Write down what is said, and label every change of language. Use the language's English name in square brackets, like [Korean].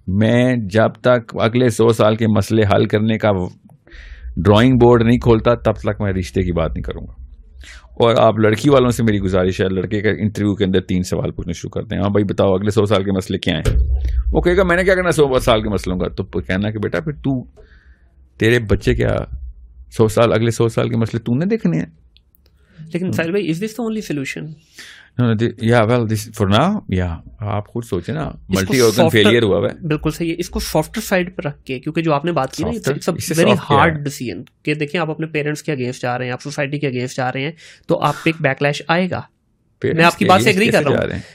[Urdu] میں جب تک اگلے 100 سال کے مسئلے حل کرنے کا ڈرائنگ بورڈ نہیں کھولتا تب تک میں رشتے کی بات نہیں کروں گا. اور آپ لڑکی والوں سے میری گزارش ہے, لڑکے کا انٹرویو کے اندر 3 سوال پوچھنا شروع کرتے ہیں, ہاں بھائی بتاؤ اگلے 100 سال کے مسئلے کیا ہیں. وہ کہے گا میں نے کیا کرنا 100 سال کے مسئلوں کا, تو کہنا کہ بیٹا پھر تو تیرے بچے کیا 100 سال, اگلے 100 سال کے مسئلے تو نے دیکھنے ہیں. لیکن سہیل بھائی, [English] Is this the only solution? [Urdu] یا [English] well this for now, [Urdu] یا آپ خود سوچیں نا, ملٹی آرگن فیلئر ہوا ہے. بالکل صحیح ہے, اس کو سافٹر سائڈ پر رکھ کے, کیونکہ جو آپ نے بات کی نا, [English] It's a very hard decision. [Urdu] کہ دیکھیں آپ اپنے پیرنٹس کے اگینسٹ جا رہے ہیں, آپ سوسائٹی کے اگینسٹ جا رہے ہیں, تو آپ پہ ایک بیک لیش آئے گا. میں آپ کی بات سے اگری کر رہا ہوں,